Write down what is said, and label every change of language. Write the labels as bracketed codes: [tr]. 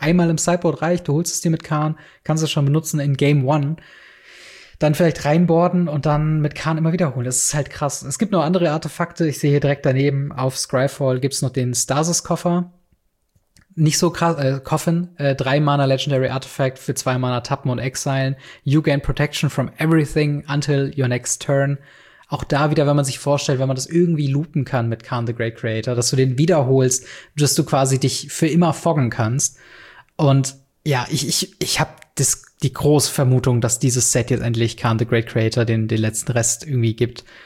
[de] 1-mal im Sideboard reicht, du holst es dir mit Khan, kannst es schon benutzen in Game 1. Dann vielleicht reinboarden und dann mit Khan immer wiederholen. Das ist halt krass. Es gibt noch andere Artefakte. Ich sehe hier direkt daneben auf Scryfall gibt's noch den Stasis-Koffer. Nicht so krass, Coffin. 3-Mana Legendary Artifact für 2 Mana tappen und exilen. [en] You gain protection from everything until your next turn. [de] Auch da wieder, wenn man sich vorstellt, wenn man das irgendwie loopen kann mit Khan the Great Creator, dass du den wiederholst, dass du quasi dich für immer foggen kannst. Und ja, ich hab die große Vermutung, dass dieses Set jetzt endlich Khan the Great Creator den letzten Rest irgendwie gibt.